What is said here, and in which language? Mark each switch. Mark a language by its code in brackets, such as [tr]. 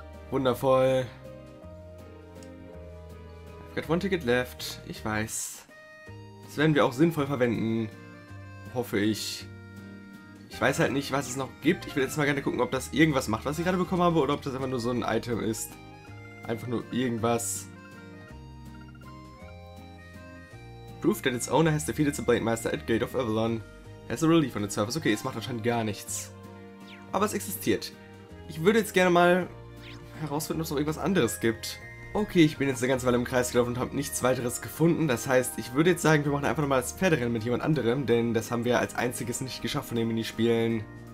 [en] Wundervoll. I've got one ticket left. [de] Ich weiß. Das werden wir auch sinnvoll verwenden. Hoffe ich. Ich weiß halt nicht, was es noch gibt. Ich will jetzt mal gerne gucken, ob das irgendwas macht, was ich gerade bekommen habe, oder ob das einfach nur so ein Item ist. Einfach nur irgendwas. [en] Proof that its owner has defeated the Blade Master at Gate of Avalon. Has a relief on its surface. [de] Okay, es macht anscheinend gar nichts. Aber es existiert. Ich würde jetzt gerne mal herausfinden, ob es noch irgendwas anderes gibt. Okay, ich bin jetzt eine ganze Weile im Kreis gelaufen und habe nichts weiteres gefunden. Das heißt, ich würde jetzt sagen, wir machen einfach nochmal das Pferderennen mit jemand anderem, denn das haben wir als einziges nicht geschafft von den Minispielen.